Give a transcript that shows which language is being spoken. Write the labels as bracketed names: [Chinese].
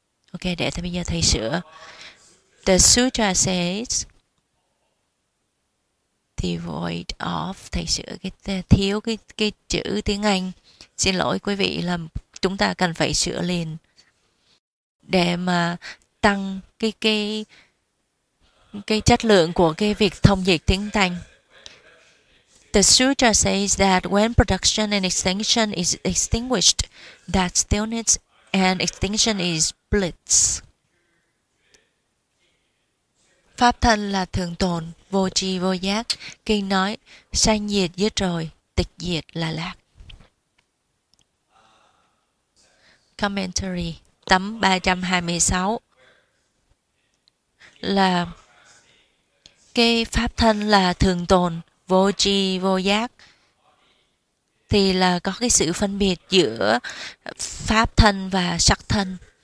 [Vietnamese] Ok, để thầy bây giờ thầy sửa. [English] The sutra says devoid of, [Vietnamese] thầy sửa cái thiếu cái chữ tiếng Anh. Xin lỗi quý vị là chúng ta cần phải sửa liền để mà tăng cái chất lượng của cái việc thông dịch tiếng Thanh. [English] The sutra says that when production and extinction is extinguished, that stillness and extinction is bliss. [Vietnamese] Pháp thân là thường tồn, vô tri vô giác. Kinh nói, sanh diệt dứt rồi, tịch diệt là lạc. Commentary, tấm 326 là cái pháp thân là thường tồn, vô tri vô giác, thì là có cái sự phân biệt giữa pháp thân và sắc thân.